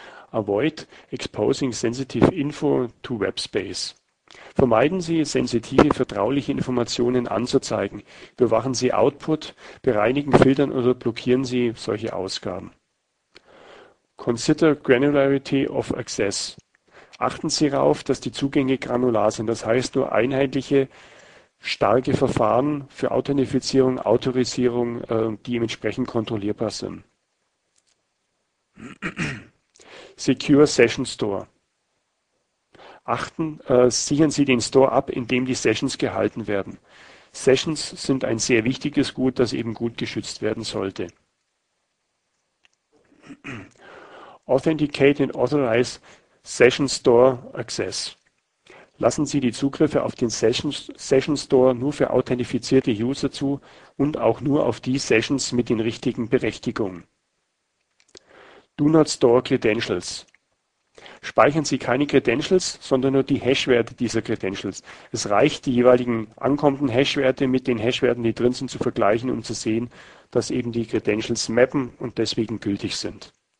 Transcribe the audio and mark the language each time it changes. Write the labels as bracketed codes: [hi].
[en] Avoid exposing sensitive info to Webspace. [de] Vermeiden Sie, sensitive, vertrauliche Informationen anzuzeigen. Überwachen Sie Output, bereinigen, filtern oder blockieren Sie solche Ausgaben. [en] Consider granularity of access. [de] Achten Sie darauf, dass die Zugänge granular sind, das heißt nur einheitliche, starke Verfahren für Authentifizierung, Autorisierung, die dementsprechend kontrollierbar sind. [en] Secure Session Store. [de] Sichern Sie den Store ab, in dem die Sessions gehalten werden. Sessions sind ein sehr wichtiges Gut, das eben gut geschützt werden sollte. [en] Authenticate and Authorize Session Store Access. [de] Lassen Sie die Zugriffe auf den Session Store nur für authentifizierte User zu und auch nur auf die Sessions mit den richtigen Berechtigungen. [en] Do not store credentials. [de] Speichern Sie keine Credentials, sondern nur die Hashwerte dieser Credentials. Es reicht, die jeweiligen ankommenden Hashwerte mit den Hashwerten, die drin sind, zu vergleichen, um zu sehen, dass eben die Credentials mappen und deswegen gültig sind.